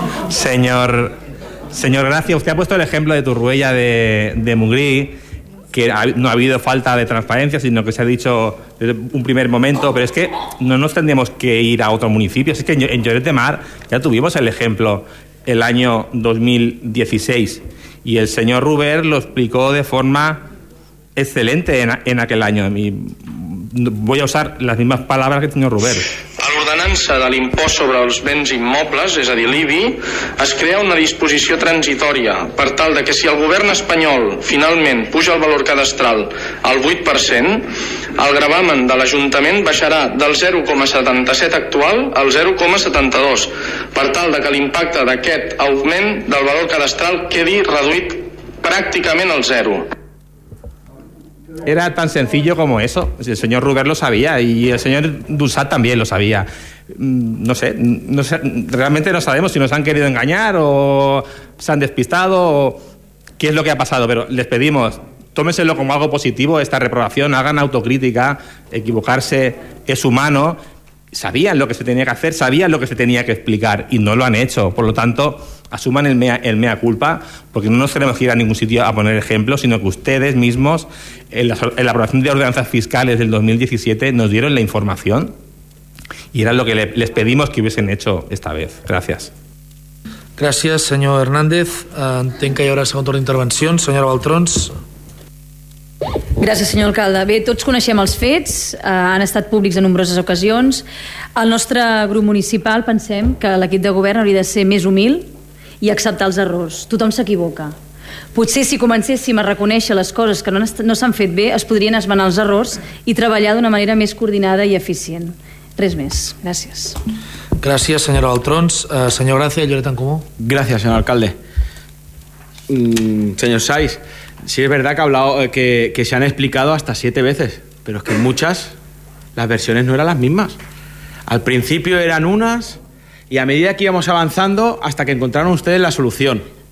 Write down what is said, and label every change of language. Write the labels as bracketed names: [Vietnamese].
[Spanish] Señor Gracia, usted ha puesto el ejemplo de Turruella de Mungrí, que no ha habido falta de transparencia, sino que se ha dicho desde un primer momento, pero es que no nos tendríamos que ir a otro municipio. Es que en Lloret de Mar ya tuvimos el ejemplo el año 2016, y el señor Ruber lo explicó de forma excelente en aquel año. Voy a usar las mismas palabras que el señor Ruber. [Catalan] A l'ordenança de l'impost sobre els béns immobles, és a dir, l'IBI, es crea una disposició transitòria per tal de que si el govern espanyol finalment puja el valor cadastral al 8%, el gravamen de l'Ajuntament baixarà del 0,77 actual al 0,72, per tal de que l'impacte d'aquest augment del valor cadastral quedi reduït pràcticament al zero. [Spanish] Era tan sencillo como eso. El señor Ruber lo sabía y el señor Dussat también lo sabía. No sé, realmente no sabemos si nos han querido engañar o se han despistado o qué es lo que ha pasado, pero les pedimos, tómenselo como algo positivo esta reprobación, hagan autocrítica, equivocarse es humano. Sabían lo que se tenía que hacer, sabían lo que se tenía que explicar y no lo han hecho. Por lo tanto, asuman el mea culpa, porque no nos tenemos que ir a ningún sitio a poner ejemplos, sino que ustedes mismos, en la aprobación de ordenanzas fiscales del 2017, nos dieron la información y era lo que les pedimos que hubiesen hecho esta vez. Gracias. Gracias, señor Hernández. [Catalan] Entenc que hi haurà el segon torn d'intervenció. Senyora Valtrons. Gràcies, senyor alcalde. Bé, tots coneixem els fets, han estat públics en nombroses ocasions. El nostre grup municipal pensem que l'equip de govern hauria de ser més humil i acceptar els errors. Tothom s'equivoca. Potser si comencéssim a reconèixer les coses que no s'han fet bé, es podrien esmenar els errors i treballar d'una manera més coordinada i eficient. Res més. Gràcies. Gràcies, senyora Valtrons. Senyor Gracia, Lloret en Comú. Gràcies, senyor alcalde. [Spanish] Senyor Saiz, sí, es verdad que ha hablado que se han explicado hasta 7 veces, pero es que muchas las versiones no eran las mismas. Al principio eran unas y a medida que íbamos avanzando hasta que encontraron ustedes la solución.